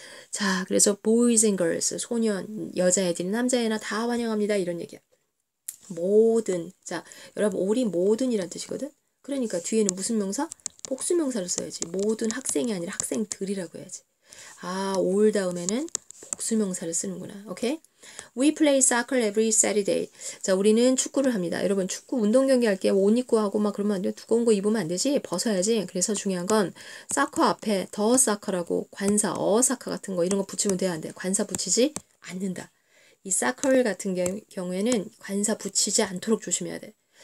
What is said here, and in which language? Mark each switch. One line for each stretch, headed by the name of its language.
Korean: 자, 그래서
English: boys and girls,
Korean: 소년, 여자애들, 남자애나 다 환영합니다. 이런 얘기야. 모든. 자, 여러분, 우리 모든이란 뜻이거든. 그러니까 뒤에는 무슨 명사? 복수명사를 써야지. 모든 학생이 아니라 학생들이라고 해야지. 아, all 다음에는 복수명사를 쓰는구나. 오케이?
English: We play soccer every Saturday.
Korean: 자, 우리는 축구를 합니다. 여러분, 축구 운동 경기 할게. 옷 입고 하고 막 그러면 안 돼. 두꺼운 거 입으면 안 되지. 벗어야지. 그래서 중요한 건 soccer 앞에 더 soccer라고 관사, 어 soccer 같은 거 이런 거 붙이면 돼야 안 돼. 관사 붙이지 않는다. 이 soccer 같은 경우에는 관사 붙이지 않도록 조심해야 돼.